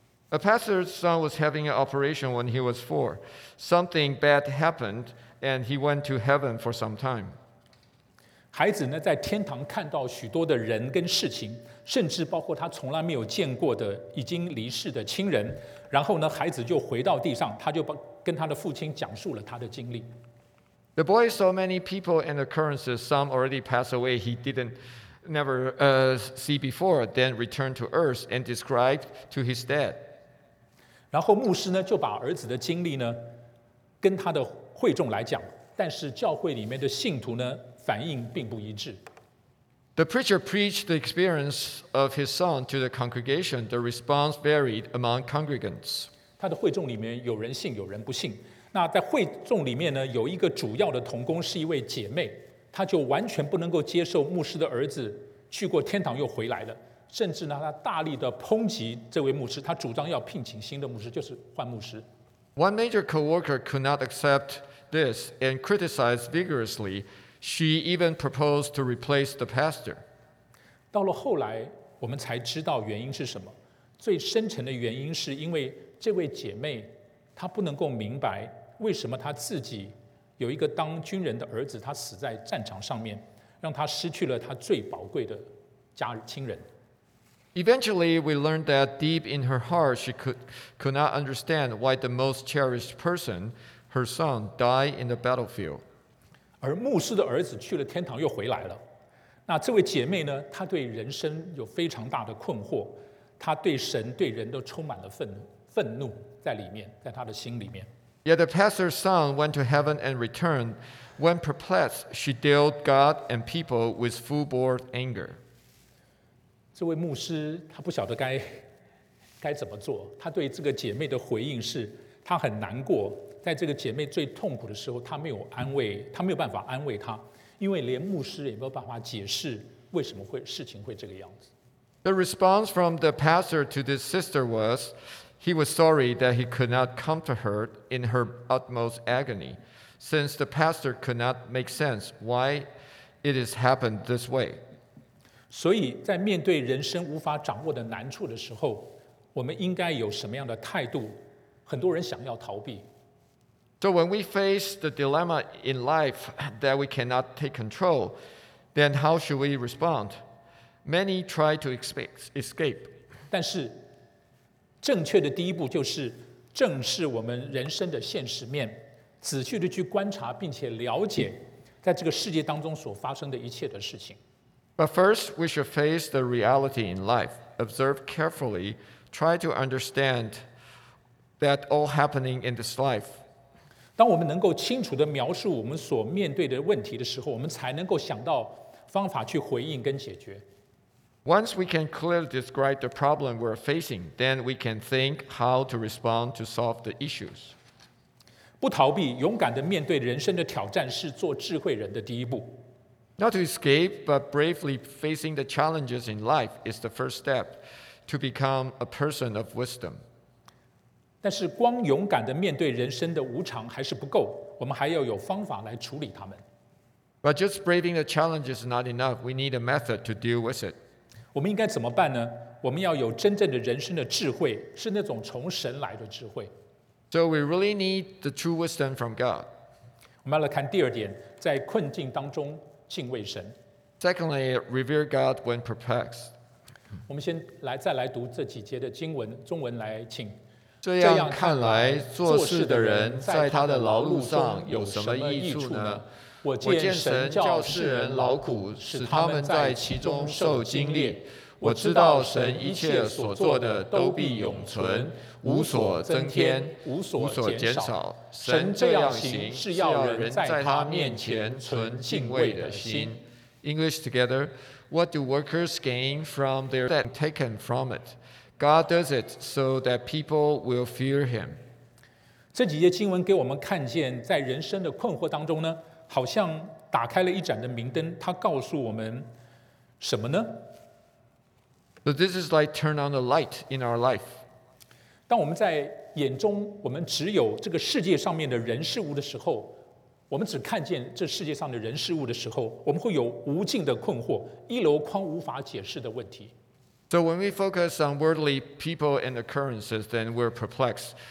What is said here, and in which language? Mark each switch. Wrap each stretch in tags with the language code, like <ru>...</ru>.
<en>A pastor's son was having an operation when he was four. Something bad happened, and he went to heaven for some time.</en> <zh>孩子呢，在天堂看到许多的人跟事情，甚至包括他从来没有见过的已经离世的亲人，然后呢，孩子就回到地上，他就跟他的父亲讲述了他的经历。</zh> <en>The boy saw many people and occurrences, some already passed away he didn't never see before, then returned to earth and described to his dad.</en> <zh>然后牧师呢就把儿子的经历呢跟他的会众来讲，但是教会里面的信徒呢反应并不一致。</zh> <en>The preacher preached the experience of his son to the congregation. The response varied among congregants.</en> <zh>他的会众里面有人信，有人不信。那在会众里面呢，有一个主要的同工是一位姐妹，她就完全不能够接受牧师的儿子去过天堂又回来了，甚至呢，她大力的抨击这位牧师，她主张要聘请新的牧师，就是换牧师。</zh> <en>One major coworker could not accept this and criticized vigorously. She even proposed to replace the pastor.</en> <zh>到了后来，我们才知道原因是什么。最深层的原因是因为这位姐妹，她不能够明白为什么她自己有一个当军人的儿子，她死在战场上面，让她失去了她最宝贵的家亲人。</zh> <en>Eventually, we learned that deep in her heart, she could not understand why the most cherished person, her son, died in the battlefield.</en> <zh>而牧师的儿子去了天堂又回来了，那这位姐妹呢，她对人生有非常大的困惑，她对神对人都充满了愤怒在里面，在她的心里面。</zh> <en>Yet the pastor's son went to heaven and returned. When perplexed, she dealt God and people with full bore anger.</en> <zh>这位牧师他不晓得该怎么做，他对这个姐妹的回应是他很难过，在这个姐妹最痛苦的时候，他没有办法安慰她，因为连牧师也没有办法解释为什么会事情会这个样子。</zh> <en>The response from the pastor to this sister was, he was sorry that he could not comfort her in her utmost agony, since the pastor could not make sense why it has happened this way.</en> <zh>所以在面对人生无法掌握的难处的时候，我们应该有什么样的态度？很多人想要逃避。</zh> <en>So when we face the dilemma in life that we cannot take control, then how should we respond? Many try to escape.</en> <zh>但是正确的第一步就是正视我们人生的现实面，仔细地去观察并且了解在这个世界当中所发生的一切的事情。</zh> <en>But first, we should face the reality in life. Observe carefully, try to understand that all happening in this life.</en> <zh>当我们能够清楚地描述我们所面对的问题的时候，我们才能够想到方法去回应跟解决。</zh> <en>Once we can clearly describe the problem we're facing, then we can think how to respond to solve the issues.</en> <zh>不逃避，勇敢地面对人生的挑战是做智慧人的第一步。</zh> <en>Not to escape, but bravely facing the challenges in life is the first step to become a person of wisdom.</en> <zh>但是光勇敢地面对人生的无常还是不够，我们还要有方法来处理它们。</zh> <en>But just braving the challenge is not enough. We need a method to deal with it.</en> <zh>我们应该怎么办呢？我们要有真正的人生的智慧，是那种从神来的智慧。</zh> <en>So we really need the true wisdom from God.</en> <zh>我们要来看第二点，在困境当中敬畏神。</zh> <en>Secondly, revere God when perplexed.</en> <zh>我们先来再来读这几节的经文，中文来请。这样看来，做事的人在他的劳碌上有什么益处呢？我见神叫世人劳苦，使他们在其中受精炼。我知道神一切所做的都必永存，无所增添，无所减少。神这样行是要人在他面前存敬畏的心。</zh> <en>English together, what do workers gain from their debt taken from it? God does it so that people will fear him.</en> <zh>这几节经文给我们看见，在人生的困惑当中呢，好像打开了一盏的明灯，它告诉我们什么呢？</zh> <en>So this is like turn on the light in our life.</en> <zh>当我们在眼中我们只有这个世界上面的人事物的时候，我们只看见这世界上的人事物的时候，我们会有无尽的困惑，一箩筐无法解释的问题。</zh> <en>So when we focus on worldly people and occurrences, then we're perplexed.</en>